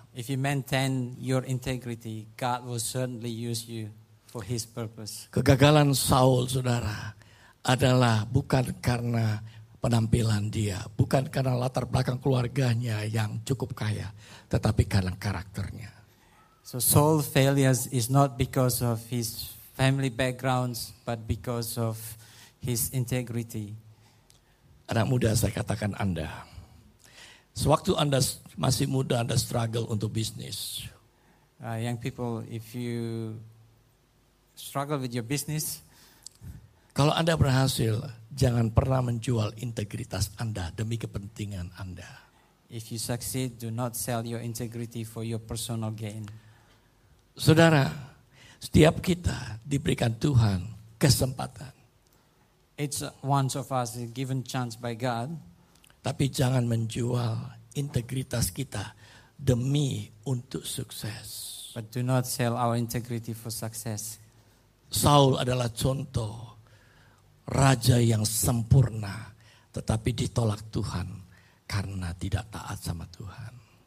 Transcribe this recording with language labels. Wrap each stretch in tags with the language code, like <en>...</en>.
<en>If you maintain your integrity, God will certainly use you for his purpose.</en> <id>Kegagalan Saul, saudara, adalah bukan karena penampilan dia, bukan karena latar belakang keluarganya yang cukup kaya, tetapi karena karakternya.</id> <en>So Saul's failures is not because of his family backgrounds, but because of his integrity.</en> <id>Anak muda, saya katakan Anda, sewaktu Anda masih muda, Anda struggle untuk bisnis.</id> <en>Young people, if you struggle with your business,</en> <id>Kalau Anda berhasil, jangan pernah menjual integritas Anda demi kepentingan Anda.</id> <en>If you succeed, do not sell your integrity for your personal gain.</en> <id>Saudara, setiap kita diberikan Tuhan kesempatan.</id> <en>Each one of us is given chance by God.</en> <id>Tapi jangan menjual integritas kita demi untuk sukses.</id> <en>But do not sell our integrity for success.</en> <id>Saul adalah contoh raja yang sempurna, tetapi ditolak Tuhan karena tidak taat sama Tuhan.</id>